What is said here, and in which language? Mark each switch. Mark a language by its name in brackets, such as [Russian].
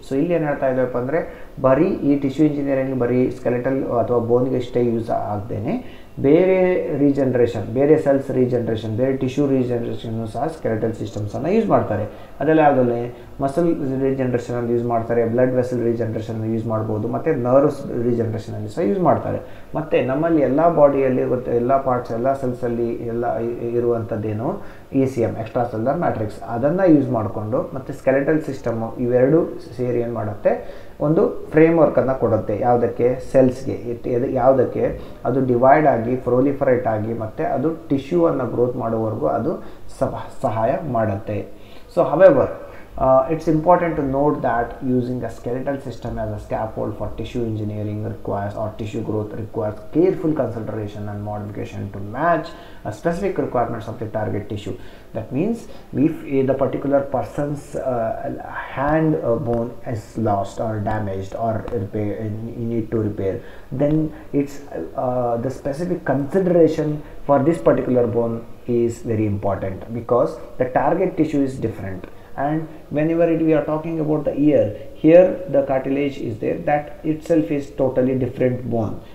[Kannada] So illi enu helta idappa andre bari ee tissue engineering bari skeletal athwa bone ge ishte use aagdene, ಬೇರೆ regeneration, ಬೇರೆ cells regeneration, ಬೇರೆ tissue regeneration ಸಹ skeletal ಸಿಸ್ಟಮ್ಸನ್ನು use ಮಾಡ್ತಾರೆ. ಅದೆಲ್ಲ ಯಾವುದಲ್ಲಿ muscle regeneration ಅಂತ use ಮಾಡ್ತಾರೆ, blood vessel regeneration use ಮಾಡ್ಬೋದು, ಮತ್ತು ನರ್ವ್ಸ್ ರೀಜನರೇಷನ್ ಅಲ್ಲಿ ಸಹ ಯೂಸ್ ಮಾಡ್ತಾರೆ. ಮತ್ತು ನಮ್ಮಲ್ಲಿ ಎಲ್ಲ ಬಾಡಿಯಲ್ಲಿ ಗೊತ್ತು, ಎಲ್ಲ ಪಾರ್ಟ್ಸ್ ಎಲ್ಲ ಸೆಲ್ಸಲ್ಲಿ ಎಲ್ಲ ಇರುವಂಥದ್ದೇನು ECM, ಎಕ್ಸ್ಟ್ರಾ ಸೆಲ್ಯುಲರ್ ಮ್ಯಾಟ್ರಿಕ್ಸ್, ಅದನ್ನು ಯೂಸ್ ಮಾಡಿಕೊಂಡು ಮತ್ತು ಸ್ಕೆಲೆಟಲ್ ಸಿಸ್ಟಮ್ ಇವೆರಡೂ ಸೇರಿ ಏನು ಮಾಡುತ್ತೆ, ಒಂದು ಫ್ರೇಮ್ವರ್ಕನ್ನು ಕೊಡುತ್ತೆ. ಯಾವುದಕ್ಕೆ? ಸೆಲ್ಸ್ಗೆ. ಯಾವುದಕ್ಕೆ? ಅದು ಡಿವೈಡ್ ಆಗಿ ಪ್ರೊಲಿಫರೇಟ್ ಆಗಿ ಮತ್ತು ಅದು ಟಿಶ್ಯೂವನ್ನು ಗ್ರೋತ್ ಮಾಡೋವರೆಗೂ ಅದು ಸಹಾಯ ಮಾಡುತ್ತೆ. [English] So however it's important to note that using a skeletal system as a scaffold for tissue engineering requires or tissue growth requires careful consideration and modification to match a specific requirements of the target tissue. That means if the particular person's hand bone is lost or damaged or need to repair, then it's the specific consideration for this particular bone is very important because the target tissue is different. And whenever we are talking about the ear, here the cartilage is there, that itself is totally different bone.